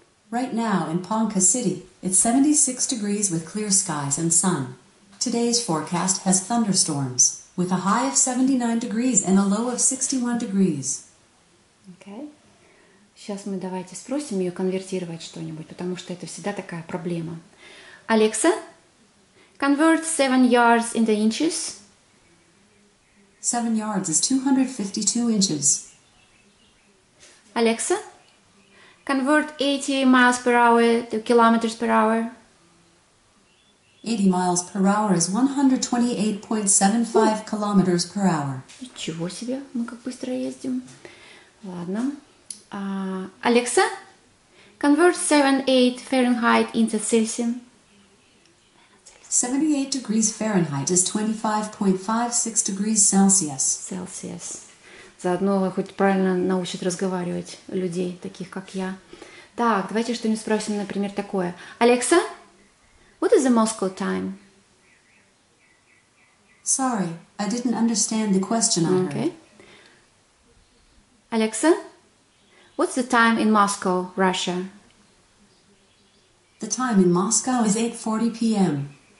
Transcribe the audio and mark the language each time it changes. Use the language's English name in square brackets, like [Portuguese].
[English] Right now in Ponca City, it's 76 degrees with clear skies and sun. Today's forecast has thunderstorms, with a high of 79 degrees and a low of 61 degrees. Okay. [Russian] Сейчас мы давайте спросим ее конвертировать что-нибудь, потому что это всегда такая проблема. [English] Alexa, convert 7 yards into inches. 7 yards is 252 inches. Alexa, convert 80 miles per hour to kilometers per hour. 80 miles per hour is 128.75 kilometers per hour. [Russian] Ничего себе, мы как быстро ездим. Ладно. [English] Alexa, convert 78 Fahrenheit into Celsius. 78 degrees Fahrenheit is 25.56 degrees Celsius. Celsius. [Russian] Заодно хоть правильно научит разговаривать людей, таких как я. Так, давайте что-нибудь спросим, например, такое. [English] Alexa, what is the Moscow time? Sorry, I didn't understand the question I heard. Okay. Алекса, what's the time in Moscow, Russia? The time in Moscow is 8:40 p.m.